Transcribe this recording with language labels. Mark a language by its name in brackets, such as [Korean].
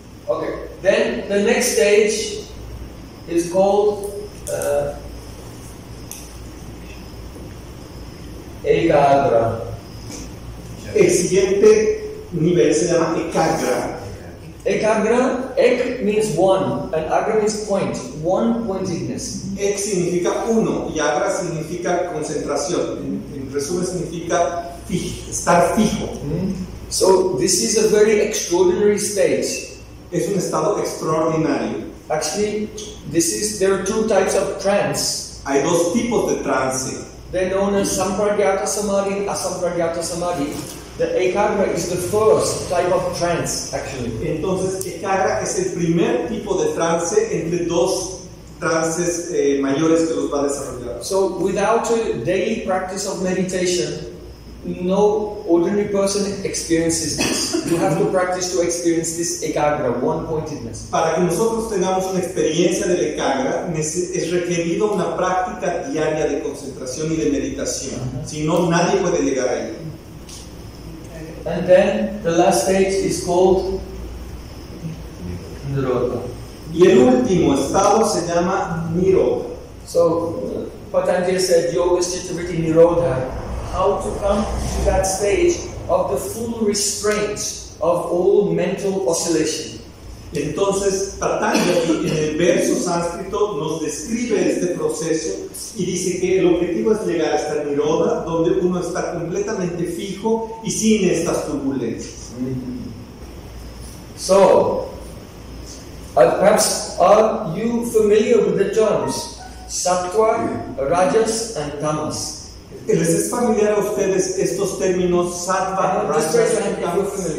[English] Okay, then the next stage is called Ekagra. [Spanish] El siguiente nivel se llama Ekagra. [English] Ekagra, ek means one, and agra means point, one pointedness. [Spanish] Ek significa uno, y agra significa concentración. En resumen, significa estar fijo. [English] So, this is a very extraordinary state. [Spanish] Es un estado extraordinario. [English] Actually, there are two types of trance. [Spanish] Hay dos tipos de trance. [English] They're known as sampragyata samadhi and asampragyata samadhi. The ekagra is the first type of trance, actually. [Spanish] Entonces, ekagra es el primer tipo de trance entre dos trances mayores que los va a desarrollar. [English] So, without a daily practice of meditation, No ordinary person experiences this. You have to practice to experience this ekagra, one-pointedness. [Spanish] Para que nosotros tengamos una experiencia del ekagra, es requerido una práctica diaria de concentración y de meditación. Uh-huh. Si no, nadie puede llegar ahí. [English] And then the last stage is called niroga. [Spanish] Y el último estado se llama niroga. [English] So, Patanjali said, yoga is chittavritti niroga. How to come to that stage of the full restraint of all mental oscillation. [Spanish] Entonces, Patanjali en el verso sánscrito nos describe este proceso y dice que el objetivo es llegar a esta niroda donde uno está completamente fijo y sin estas turbulencias. [English] So, perhaps are you familiar with the terms sattva, rajas and tamas? [Spanish] ¿Les es familiar a ustedes estos términos sattva, rajas y tamas?